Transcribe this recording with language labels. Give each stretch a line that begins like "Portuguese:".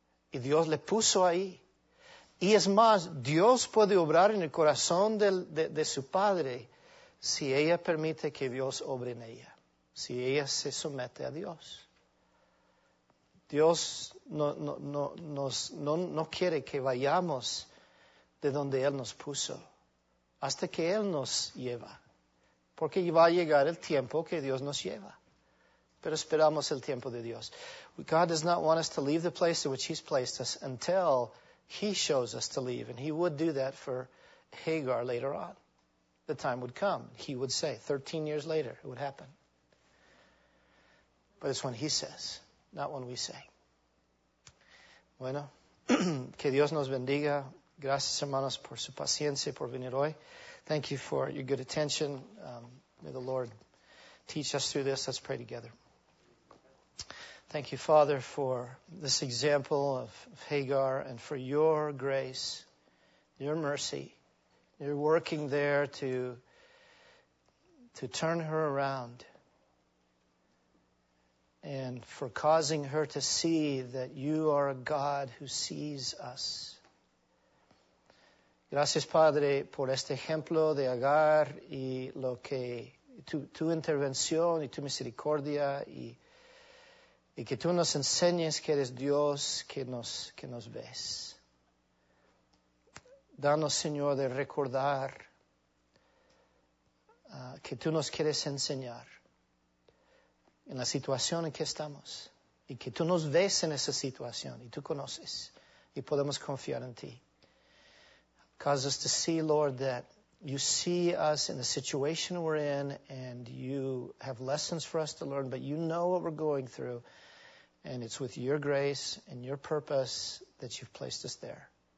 Spanish: Y Dios le puso ahí. Y es más, Dios puede obrar en el corazón de su padre si ella permite que Dios obre en ella, si ella se somete a Dios. Dios no quiere que vayamos de donde Él nos puso, hasta que Él nos lleva, porque va a llegar el tiempo que Dios nos lleva. Pero esperamos el tiempo de Dios.
English: God does not want us to leave the place in which He's placed us until He shows us to leave, and He would do that for Hagar later on. The time would come. He would say, 13 years later, it would happen. But it's when He says, not when we say.
Spanish: Bueno, que Dios nos bendiga. Gracias, hermanos, por su paciencia, por venir hoy.
English: Thank you for your good attention. May the Lord teach us through this. Let's pray together. Thank you, Father, for this example of Hagar and for your grace, your mercy. You're working there to turn her around and for causing her to see that you are a God who sees us.
Spanish: Gracias, Padre, por este ejemplo de Agar y lo que tu intervención y tu misericordia y que tú nos enseñes que eres Dios que nos ves. Danos, Señor, de recordar que tú nos quieres enseñar en la situación en que estamos. Y que tú nos ves en esa situación y tú conoces. Y podemos confiar en ti.
English: Cause us to see, Lord, that you see us in the situation we're in. And you have lessons for us to learn. But you know what we're going through. And it's with your grace and your purpose that you've placed us there.